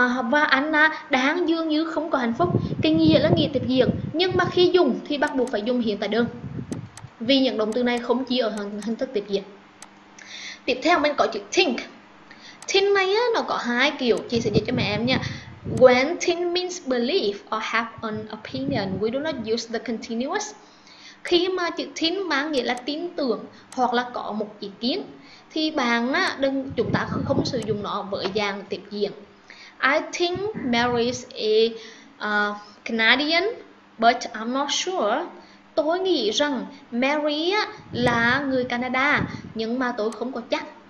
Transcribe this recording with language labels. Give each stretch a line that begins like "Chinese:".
Vietnamese: Và anh đáng dường như không có hạnh phúc, cái nghĩa là nghĩa tiếp diễn, nhưng mà khi dùng thì bắt buộc phải dùng hiện tại đơn, vì những động từ này không chỉ ở hình thức tiếp diễn. Tiếp theo mình có chữ think. Think này á, nó có hai kiểu, chị sẽ dạy cho mẹ em nha.
English: When think means believe or have an opinion, we do not use the continuous.
Vietnamese: Khi mà chữ think mang nghĩa là tin tưởng hoặc là có một ý kiến thì bạn á, đừng chúng ta không sử dụng nó với dạng tiếp diễn.
English: I think Mary is a Canadian, but I'm not sure.
Vietnamese: Tôi nghĩ rằng Mary là người Canada, nhưng mà tôi không có chắc.